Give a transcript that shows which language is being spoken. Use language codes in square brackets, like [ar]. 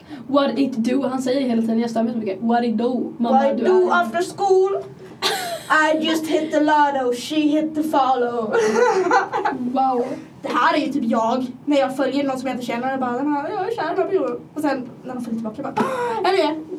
[en] What it do, [sv] han säger hela tiden, jag stämmer så mycket. [en] What it do, mamma, what it do after school? I just hit the lotto, she hit the follow. Wow. [sv] Det här är ju typ jag. När jag följer någon som jag inte känner, jag bara, jag är kär, jag bara, och sen när han följer tillbaka, jag bara, är det?